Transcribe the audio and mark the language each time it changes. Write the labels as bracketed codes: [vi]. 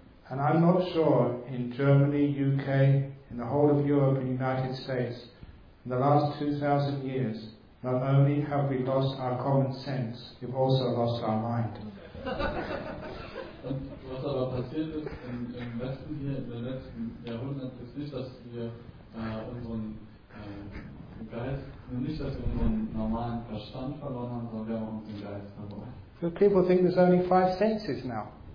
[en] And I'm not sure in Germany, UK, in the whole of Europe and the United States, in the last 2,000 years, not only have we lost our common sense, we've also lost our mind. [de] Was aber passiert ist im Westen hier in den letzten Jahrhunderten, ist nicht, dass wir unseren Geist, nicht, dass wir unseren normalen Verstand verloren haben, sondern wir haben unseren Geist verloren. [en] So people think there's only five senses now.